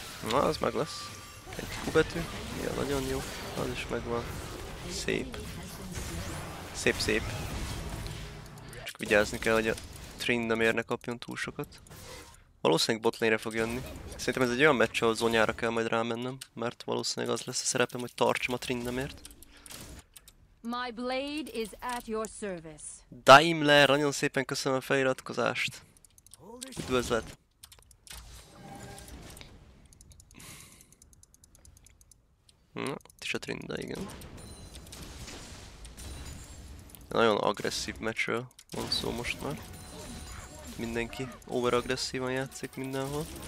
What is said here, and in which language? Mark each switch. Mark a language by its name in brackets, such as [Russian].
[Hungarian] Na, az meg lesz. Egy Q betű. Ja, nagyon jó. Az is megvan. Szép. Szép, szép. Csak vigyázni kell, hogy a Trin nem érne kapjon túl sokat. Valószínűleg botlane-re fog jönni. Szerintem ez egy olyan meccs, ahol zonyára kell majd rámennem, mert valószínűleg az lesz a szerepem, hogy tartsam a Trindamért. [English] My blade is at your service. [Hungarian] Daimler, nagyon szépen köszönöm a feliratkozást. Üdvözlet. Na, ott is a Trinda, igen. Nagyon agresszív meccsről van szó most már. Mindenki overagresszívan játszik mindenhol.